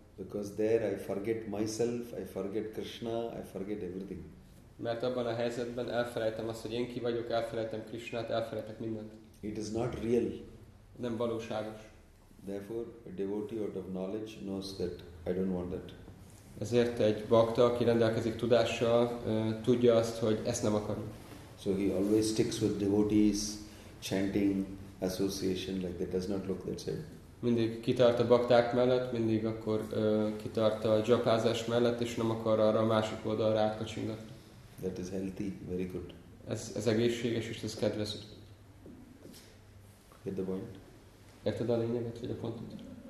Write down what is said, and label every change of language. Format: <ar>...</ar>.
<en>Because there I forget myself, I forget Krishna, I forget everything.</en> <hu>Mert abban a helyzetben elfelejtem azt, hogy én ki vagyok, elfelejtem Krishnát, elfelejtek mindent.</hu> <en>It is not real.</en> <hu>Nem valóságos.</hu> <en>Therefore, a devotee out of knowledge knows that I don't want that.</en> <hu>Ezért egy bhakta, aki rendelkezik tudással, tudja azt, hogy ezt nem akarom.</hu> <en>So he always sticks with devotees, chanting, association, like that does not look that same.</en> <hu>Mindig kitart a bhakták mellett, mindig akkor kitart a japázás mellett, és nem akar arra a másik oldalra átkacsingatni.</hu> <en>That is healthy, very good.</en> <hu>Ez egészséges, és ez kedvező.</hu> <en>Get the point?</en> <hu>Érted a lényeget, vagy a pontot?</hu>